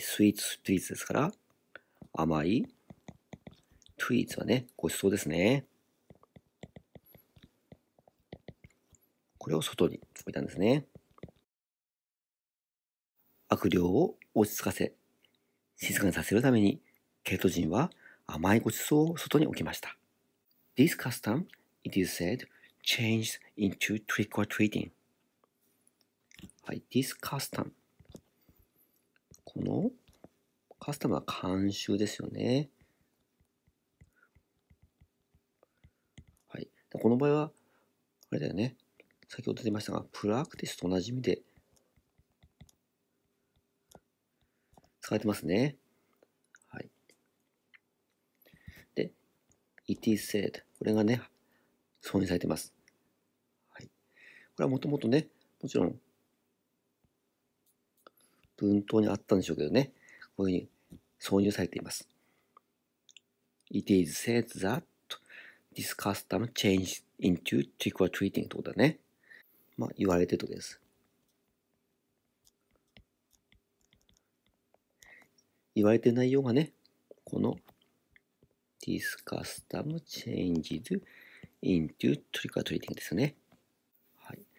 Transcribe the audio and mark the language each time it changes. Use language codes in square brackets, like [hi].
[ja] スイーツ、トリーツですから、甘い、トリーツはね、ごちそうですね。これを外に置いたんですね。悪霊を落ち着かせ、静かにさせるために、ケルト人は甘いごちそうを外に置きました。 [en] This custom, it is said, changed into trick or treating. [ja] はい。 [en] This custom. [ja] このカスタムは監修ですよね。はい。この場合は、あれだよね。先ほど出てましたが、プラクティスと同じ意味で使われてますね。はい。で、 [en] it is said。 [ja] これがね、挿入されてます。はい。これはもともとね、もちろん、文頭にあったんでしょうけどね。こういうふうに挿入されています。 [en] It is said that this custom changed into trick or treating [ja] ってことだね。まあ、言われてるとこです。言われてる内容がね、この [en] This custom changed into trick or treating [ja] ですよね。はい。